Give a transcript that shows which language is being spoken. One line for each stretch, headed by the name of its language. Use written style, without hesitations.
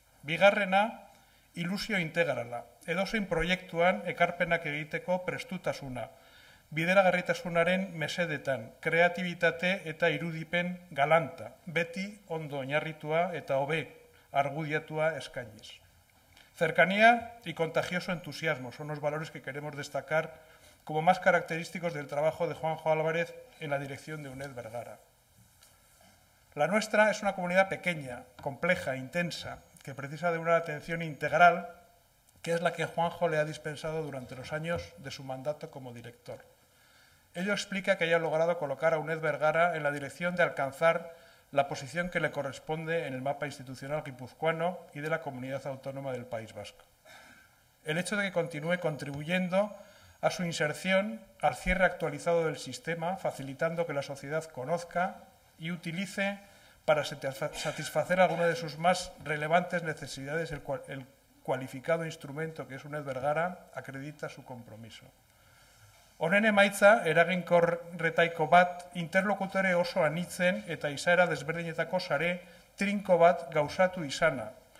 Basque: Bigarrena, ilusio integrala, edozein proiektuan ekarpenak egiteko prestutasuna, bideragarritasunaren mesedetan, kreatibitate eta irudipen galanta, beti ondo oinarritua eta hobe argudiatua eskainiz.
Spanish: Cercanía y contagioso entusiasmo son los valores que queremos destacar como más característicos del trabajo de Juanjo Álvarez en la dirección de UNED Bergara. La nuestra es una comunidad pequeña, compleja, intensa, que precisa de una atención integral, que es la que Juanjo le ha dispensado durante los años de su mandato como director. Ello explica que haya logrado colocar a UNED Bergara en la dirección de alcanzar la posición que le corresponde en el mapa institucional guipuzcoano y de la comunidad autónoma del País Vasco. El hecho de que continúe contribuyendo a su inserción, al cierre actualizado del sistema, facilitando que la sociedad conozca y utilice para satisfacer alguna de sus más relevantes necesidades el cualificado instrumento que es UNED Bergara, acredita su compromiso.
Basque: Honen emaitza, eraginkorretaiko bat, interlokutore oso anitzen eta izaera desberdinetako sare trinko bat gauzatu izana.